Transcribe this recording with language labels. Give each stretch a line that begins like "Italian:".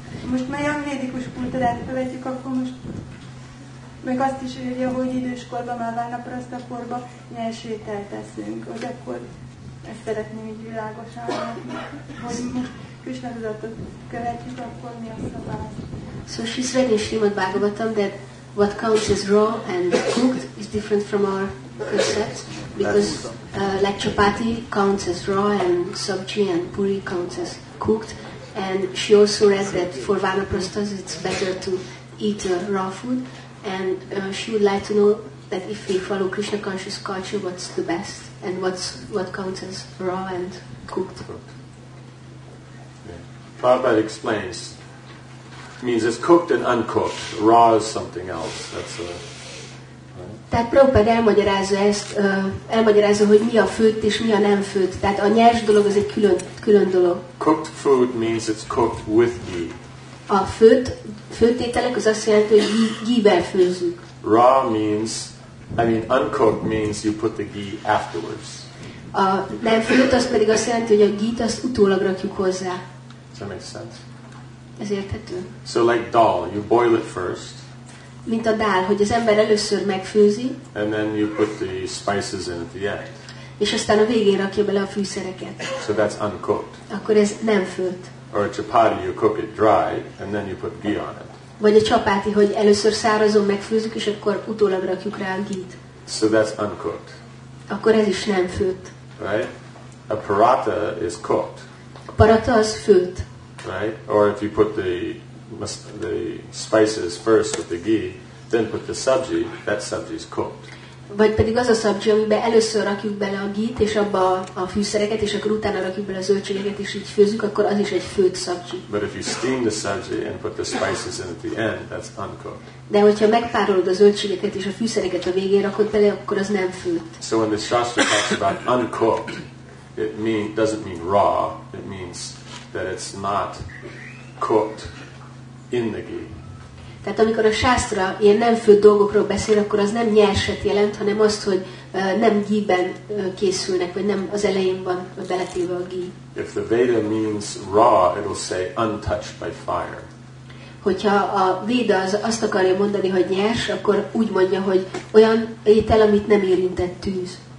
Hungarian: Most már ilyen védikus kultúrát követjük, akkor most meg azt is írja, hogy időskorban már vánaprasztakorban nyers ételt teszünk. Hogy akkor ezt szeretném így világosan, hogy most Krisna tudatot követjük, akkor mi a szabály?
English: So she's reading Srimad Bhagavatam that what counts as raw and cooked is different from our concept because like chapati counts as raw and sabji and puri counts as cooked. And she also read that for vanaprastas it's better to eat raw food. And she would like to know that if we follow Krishna conscious culture, what's the best and what counts as raw and cooked. Yeah. Prabhupada explains, means it's cooked and uncooked. Raw is something else. That's a.
Hungarian: Tehát Prabhupada elmagyarázza ezt, elmagyarázza, hogy mi a főtt és mi a nem főtt. Tehát a nyers dolog az egy külön dolog.
English: Cooked food means it's cooked with ghee.
Hungarian: A főtt ételek az azt jelenti, hogy ghee-vel főzünk.
English: Raw means, I mean uncooked means you put the ghee afterwards.
Hungarian: A nem főtt az pedig azt jelenti, hogy a ghee-t azt utólag rakjuk hozzá.
English: Does that make sense?
Hungarian: Ez érthető.
English: So like dal, you boil it first.
Hungarian: Mint a dál, hogy az ember először megfőzi.
English: And then you put the spices in at the end.
Hungarian: És aztán a végén rakja bele a fűszereket.
English: So that's uncooked.
Hungarian: Akkor ez nem főtt.
English: Or a chapati, you cook it dry, and then you put ghee on it.
Hungarian: Vagy a csapáti, hogy először szárazon megfőzzük, és akkor utólag rakjuk rá a ghee-t.
English: So that's uncooked.
Hungarian: Akkor ez is nem főtt.
English: Right? A paratha is cooked.
Hungarian: A paratha az főtt.
English: Right? Or if you put the spices first with the ghee, then put the sabji, that sabji is cooked.
Hungarian: Vagy pedig az a szabzsi, amiben először rakjuk bele a ghit, és abba a fűszereket, és akkor utána rakjuk bele a zöldségeket, és így főzünk, akkor az is egy főtt szabzsi.
English: But if you steam the sabzi and put the spices in at the end, that's uncooked.
Hungarian: De hogyha megpárolod a zöldségeket és a fűszereket a végén rakod bele, akkor az nem főtt.
English: So when the Shastra talks about uncooked, it mean, doesn't mean raw, it means that it's not cooked in the ghee.
Hungarian: Tehát amikor a sásztra ilyen nem főtt dolgokról beszél, akkor az nem nyerset jelent, hanem azt, hogy nem ghee-ben készülnek, vagy nem az elején van beletéve a ghee.
English: If the Veda means raw, it'll say untouched by fire.
Hungarian: Hogyha a Veda az azt akarja mondani, hogy nyers, akkor úgy mondja, hogy olyan étel, amit nem érintett tűz.